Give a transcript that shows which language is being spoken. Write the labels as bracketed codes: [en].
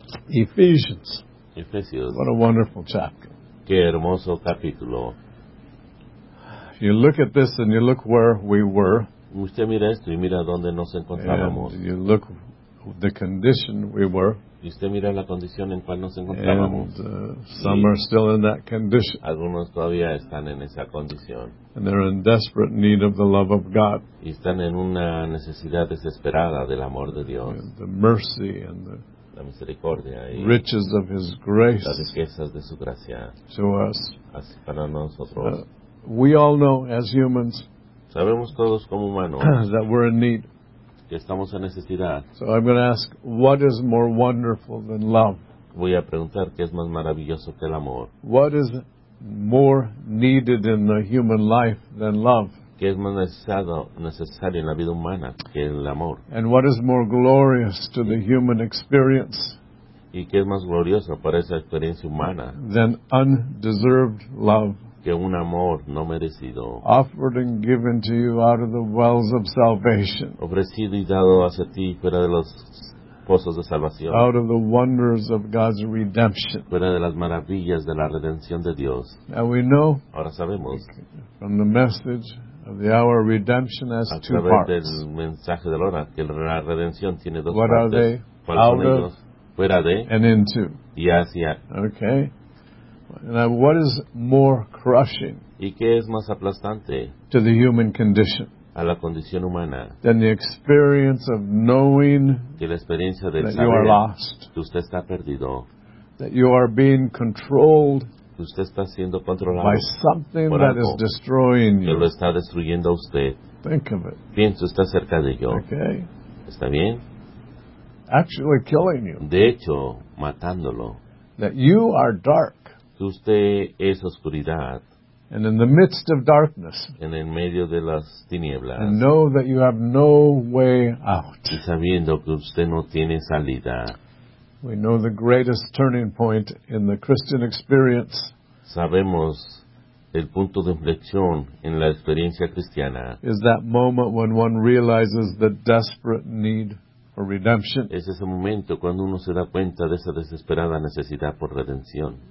[en] Ephesians. [es] Efesios. [en] What a wonderful chapter. [es] Qué hermoso capítulo. [en] You look at this and you look where we were. [es] Usted mira esto y mira dónde nos encontrábamos. [en] And you look the condition we were. [es] Y usted mira la condición en cual nos encontrábamos. [en] And, some are still in that condition. [es] Algunos todavía están en esa condición. [en] And they're in desperate need of the love of God. [es] Y están en una necesidad desesperada del amor de Dios. [en] And the mercy and the [es] la misericordia y [en] riches of his grace. [es] Las riquezas de su gracia. [en] To us. [es] Así para nosotros. [en] We all know as humans. [es] Sabemos todos como humanos [en] that we're in need. [es] Que estamos en necesidad. [en] So I'm going to ask, what is more wonderful than love? [es] Voy a preguntar qué es más maravilloso que el amor. [en] What is more needed in the human life than love? [es] Qué es más necesario en la vida humana que el amor. [en] And what is more glorious to the human experience? [es] Y qué es más glorioso para esa experiencia humana. [en] Than undeserved love. [es] Que un amor no merecido. [en] Offered and given to you out of the wells of salvation. [es] Ofrecido y dado hacia ti fuera de los pozos de salvación. [en] Out of the wonders of God's redemption. [es] Fuera de las maravillas de la redención de Dios. [en] Now we know. [es] Ahora sabemos. [en] From the message of the hour, redemption has two parts. [es] A través del mensaje de la hora, que la redención tiene dos partes. [en] What are they? Out of. [es] Fuera de. [en] And into. [es] Y hacia. [en] Okay. Now, what is more crushing? [es] ¿Y qué es más aplastante? [en] To the human condition. [es] A la condición humana. [en] Then the experience of knowing that you are lost. [es] Que usted está perdido. [en] That you are being controlled. [es] Que usted está siendo controlado. [en] By something that is destroying you. [es] Que lo está destruyendo a usted. [en] Think of it. [es] Pienso, está cerca de yo. [en] Okay. [es] ¿Está bien? [en] Actually killing you. [es] De hecho, matándolo. [en] That you are dark. [es] Que usted es oscuridad. [en] And in the midst of darkness. [es] En el medio de las tinieblas. [en] And know that you have no way out. [es] Y sabiendo que usted no tiene salida. [en] We know the greatest turning point in the Christian experience. [es] Sabemos el punto de inflexión en la experiencia cristiana. [en] Is that moment when one realizes the desperate need for redemption. [es] Es ese momento cuando uno se da cuenta de esa desesperada necesidad por redención.